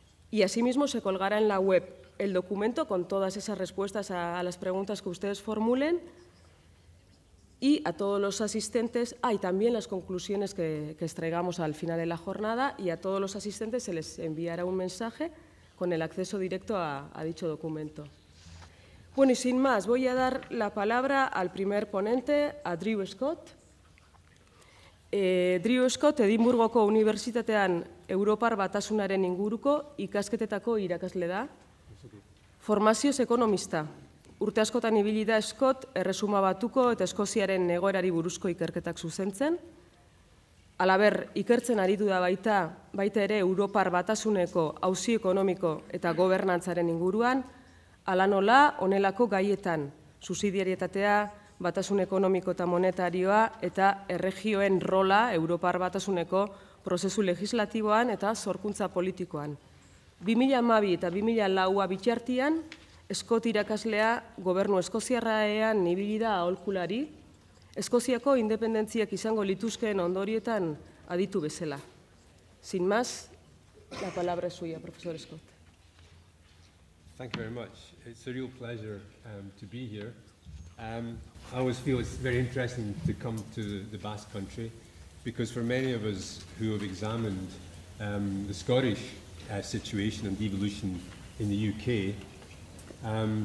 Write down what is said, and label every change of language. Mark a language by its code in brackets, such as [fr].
[es] Y asimismo se colgará en la web el documento con todas esas respuestas a las preguntas que ustedes formulen y a todos los asistentes, y también las conclusiones que extraigamos al final de la jornada y a todos los asistentes se les enviará un mensaje con el acceso directo a dicho documento. Bueno, y sin más, voy a dar la palabra al primer ponente, a Drew Scott. [eu] Drew Scott, Edimburgoko Unibertsitatean Europar Batasunaren inguruko ikasketetako irakasle da. Formazioz ekonomista. Urte askotan ibili da Scott, Erresuma Batuko eta Eskoziaren egoerari buruzko ikerketak zuzentzen. Alaber, ikertzen aritu da baita ere Europar Batasuneko auzi ekonomiko eta gobernantzaren inguruan, ala nola honelako gaietan, subsidiarietatea, batasun ekonomiko eta monetarioa eta erregioen rola Europar Batasuneko prozesu legislatiboan eta sorkuntza politikoan. 2012 eta 2004 bitxartian, Scott irakaslea gobernu eskoziarraean ibili da aholkulari, Eskoziako independentziak izango lituzkeen ondorietan aditu bezala. [es] Sin más, la palabra es suya, profesor Scott. [en] Thank you very much. It's a real pleasure to be here. I always feel it's very interesting to come to the Basque Country because for many of us who have examined the Scottish situation and devolution in the UK.